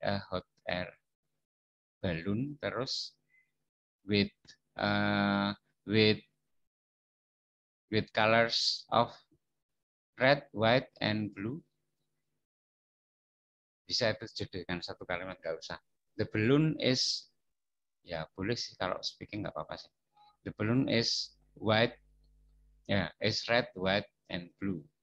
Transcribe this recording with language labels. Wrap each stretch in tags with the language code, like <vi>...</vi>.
<en>Hot air balloon terus with colors of red, white, and blue.</en> <id>Bisa itu jadikan satu kalimat, gak usah.</id> <en>The balloon is,</en> <id>ya boleh sih kalau speaking gak apa-apa sih.</id> <en>The balloon is white, ya yeah, is red, white, and blue.</en>